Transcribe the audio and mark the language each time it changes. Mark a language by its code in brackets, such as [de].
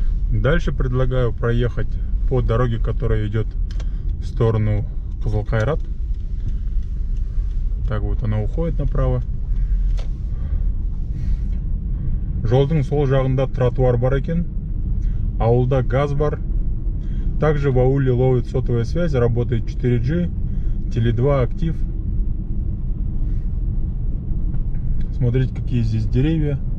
[ru] Дальше предлагаю проехать по дороге, которая идет в сторону Қызылқайрат. Так вот, она уходит направо. [kk] Жолдың сол жағында тротуар бар екен. Ауылда газ бар. [ru] Также в ауле ловит сотовая связь, работает 4G, Теле2 актив. Смотрите, какие здесь деревья.